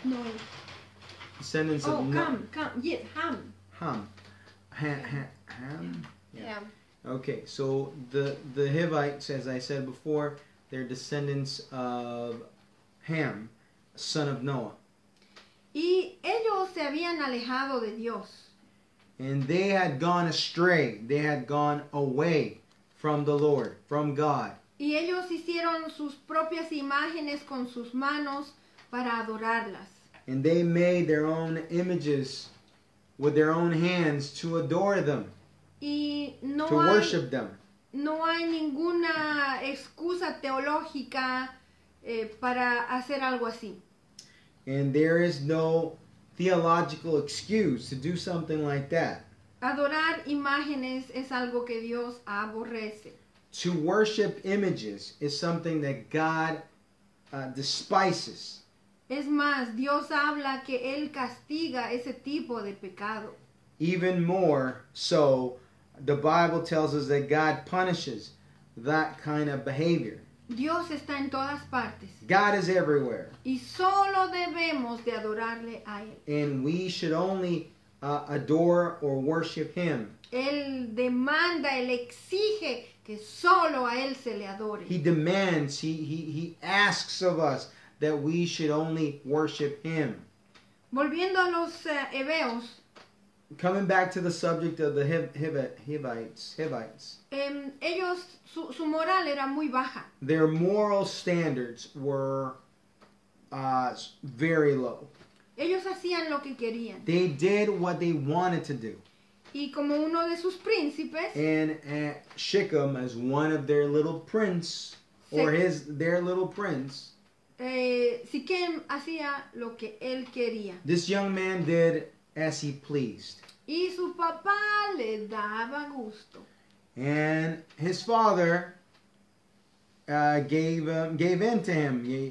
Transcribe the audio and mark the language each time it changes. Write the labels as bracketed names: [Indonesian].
[English] No. Descendants oh, of Cam. Cam. Yes, Ham. Ham. Yeah. Okay, so the Hivites, as I said before, they're descendants of Ham, son of Noah. [Spanish] Y ellos se habían alejado de Dios. [English] And they had gone astray. They had gone away from the Lord, from God. [Spanish] Y ellos hicieron sus propias imágenes con sus manos para adorarlas. [English] And they made their own images with their own hands to adore them, to worship them. [Spanish] No hay ninguna excusa teológica para hacer algo así. [English] And there is no theological excuse to do something like that. [Spanish] Adorar imágenes es algo que Dios aborrece. [English] To worship images is something that God despises. [Spanish] Es más, Dios habla que Él castiga ese tipo de pecado. [English] Even more so, the Bible tells us that God punishes that kind of behavior. [Spanish] Dios está en todas partes. [English] God is everywhere. [Spanish] Y solo debemos de adorarle a Él. [English] And we should only adore or worship Him. [Spanish] Él demanda, Él exige que solo a Él se le adore. [English] He demands, he asks of us that we should only worship Him. [Spanish] Volviendo a los hebeos. [English] coming back to the subject of the Hivites. [Spanish] Ellos, su moral era muy baja. [English] Their moral standards were very low. [Spanish] Ellos hacían lo que querían. [English] They did what they wanted to do. [Spanish] Y como uno de sus príncipes, [English] and Shechem, as one of their little prince, their little prince, [Spanish] Siquem hacía lo que él quería. [English] This young man did as he pleased. [Spanish] Y su papá le daba gusto. [English] And his father gave in to him.